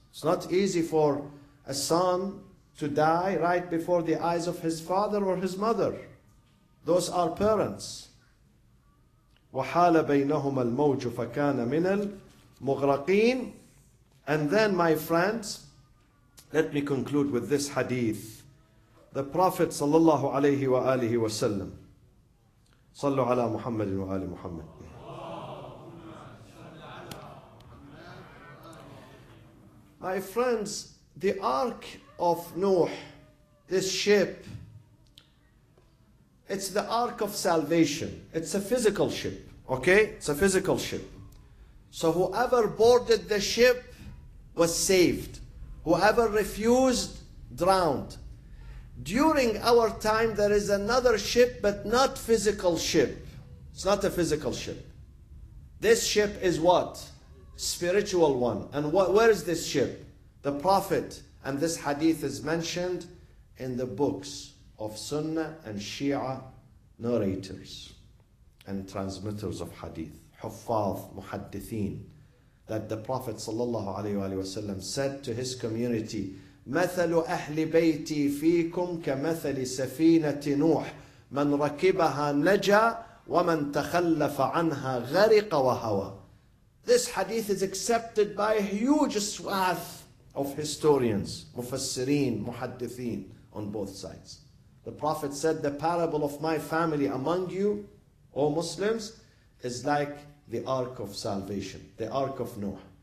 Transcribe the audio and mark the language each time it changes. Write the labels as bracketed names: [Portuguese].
[English] It's not easy for a son to die right before the eyes of his father or his mother. Those are parents. [Arabic] وَحَالَ بَيْنَهُمَ الْمَوْجُ فَكَانَ مِنَ الْمُغْرَقِينَ. [English] And then, my friends, let me conclude with this hadith. The Prophet [Arabic] صلى الله عليه وآله وسلم, صلوا على محمد وآل محمد. [English] My friends, the ark of Noah, this ship, it's the ark of salvation. It's a physical ship, okay? It's a physical ship. So whoever boarded the ship was saved. Whoever refused, drowned. During our time, there is another ship, but not physical ship. It's not a physical ship. This ship is what? Spiritual one. And where is this ship? The Prophet. And this hadith is mentioned in the books of Sunnah and Shia narrators and transmitters of hadith. Huffaz, Muhaddithin. That the Prophet sallallahu alayhi wa sallam said to his community, [Arabic] مثل أهل بيتي فيكم كمثل سفينة نوح من ركبها نجا ومن تخلف عنها غرق وهوى. [English] This hadith is accepted by a huge swath of historians, مفسرين, محدثين on both sides. The Prophet said, the parable of my family among you, O Muslims, is like the ark of salvation, the ark of Noah.